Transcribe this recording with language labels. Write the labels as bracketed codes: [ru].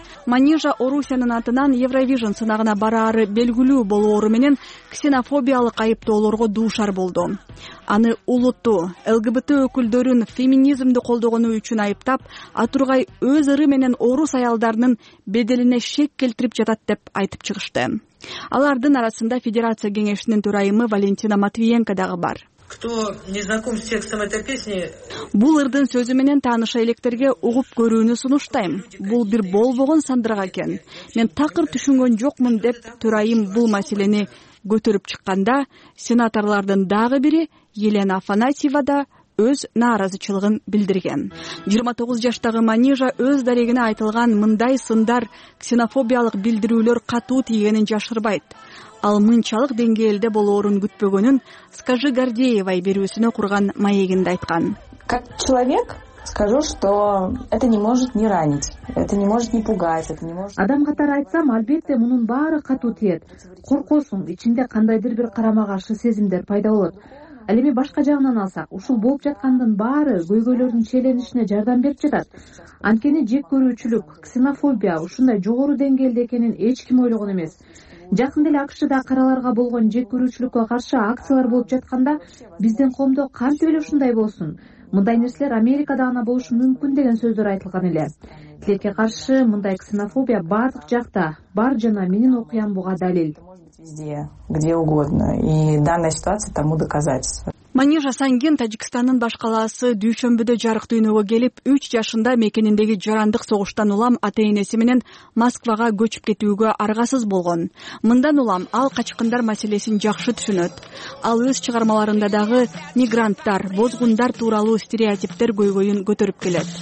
[ky] Манежа Орусиянын атынан Евровижн сынагына бараары белгилүү болоору менен ксенофобиялык айыптоолорго дуушар болду. Аны улуттуу, ЛГБТ өкүлдөрүн феминизмди колдогону үчүн айыптап, атургай өз ыры менен орус аялдарынын беделине шек келтирип жатат деп айтып чыгышты. Алардын арасында Федерация кеңешинин төрайымы Валентина Матвиенко дагы бар. [ru] Кто не знаком с текстом этой песни? [ky] Бул ырдын сөзү менен тааныша электерге угуп көрүүнү сунуштайм. Бул бир болбогон сандырак экен. Мен такыр түшүнгөн жокмун деп төрайым бул маселени көтөрүп чыкканда, сенаторлордун дагы бири Елена Афанасьева да өз нааразычылыгын билдирген. 29 жаштагы Манежа өз дарегине айтылган мындай сындар, ксенофобиялык билдирүүлөр катуу тийгенин жашырбайт. Ал мынчалык деңгээлде болоорун күтпөгөнүн Скажи Гордеевай берүүсүнө курган маегинде айткан. [ru] Как человек скажу, что это не может не ранить, это не может не пугать, это не может. [ky] Адам катары айтсам, албетте мунун баары катуу тиет. Коркосуң, ичинде кандайдыр бир карама-каршы сезимдер пайда болот. Ал эми башка жагынан алсак, ушул болуп жаткандын баары көйгөйлөрдүн челенишине жардам берип жатат. Анткени жек көрүүчүлүк, ксенофобия ушундай жогору деңгээлде экенин эч ким ойлогон эмес. Жакында эле АКШда караларга болгон жек көрүүчүлүккө каршы акциялар болуп жатканда биздин коомдо кантип эле ушундай болсун? Мындай нерселер Америкада гана болушу мүмкүн деген сөздөр айтылган эле. Тилекке каршы мындай ксенофобия бардык жакта бар жана менин окуям буга далил. [ru] Везде, где угодно. И данная ситуация тому доказательство. [ky] Манежа Сангин Таджикстандын баш калаасы дүйшөмбүдө жарык дүйнөгө келип, 3 жашында мекениндеги жарандык согуштан улам ата энеси менен Москвага көчүп кетүүгө аргасыз болгон. Мындан улам ал качкындар маселесин жакшы түшүнөт. Ал өз чыгармаларында дагы мигранттар, бозгундар тууралуу стереотиптер көйгөйүн көтөрүп келет.